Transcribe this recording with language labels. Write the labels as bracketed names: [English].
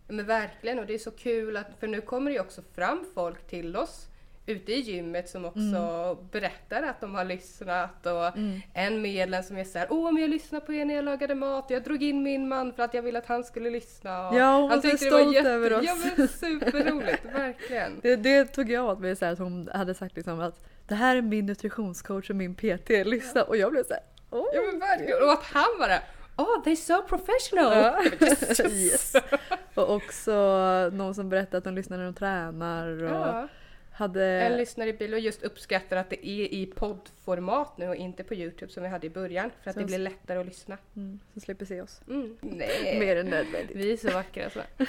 [Swedish] Men verkligen, och det är så kul att, för nu kommer det ju också fram folk till oss ute i gymmet som också berättar att de har lyssnat och en medlem som är såhär, åh, men jag lyssnade på er när jag lagade mat och jag drog in min man för att jag ville att han skulle lyssna. Och ja, hon var så stolt över oss. Ja, men superroligt, verkligen. Det tog jag åt mig såhär att hon hade sagt liksom att det här är min nutritionscoach och min PT, lyssna. Ja. Och jag blev såhär, åh. Ja, men verkligen. Och att han var det. [English] Oh, they're so professional. Yes. [Swedish] Och också någon som berättade att de lyssnar när de tränar och En lyssnare i bil och just uppskattar att det är i poddformat nu och inte på YouTube som vi hade i början. För att så det blir lättare att lyssna. Så slipper se oss. Nej. Mer än nödvändigt. Vi är så vackra så.